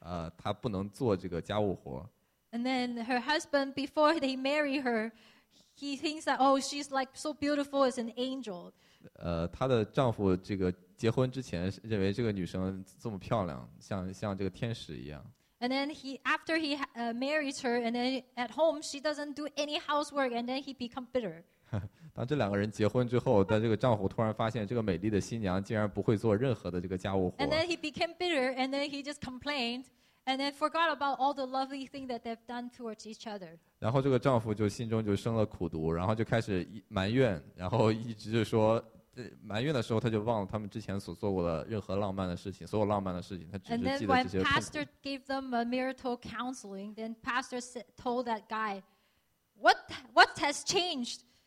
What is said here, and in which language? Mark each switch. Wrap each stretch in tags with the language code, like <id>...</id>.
<zh>哦，大家还记得牧师以前举的一个例子，说一个非常美丽的一个家庭主妇，她不能做这个家务活。</zh> <en>And then her husband, before he married her, he thinks that oh, she's like so beautiful as an angel.</en> <zh>她的丈夫这个结婚之前认为这个女生这么漂亮，像这个天使一样。</zh> <en>And then marries her, and then at home she doesn't do any housework, and then he become bitter.</en> <zh>当这两个人结婚之后，但这个丈夫突然发现这个美丽的新娘竟然不会做任何的这个家务活。</zh> <en>And then he became bitter, and then he just complained, and then forgot about all the lovely things that they've done towards each other.</en> <zh>然后这个丈夫就心中就生了苦毒，然后就开始埋怨，然后一直就说，埋怨的时候他就忘了他们之前所做过的任何浪漫的事情，所有浪漫的事情，他只记得这些痛苦。</zh> <en>And then when pastor gave them a marital counseling, then pastor told that guy, "What has changed?"</en>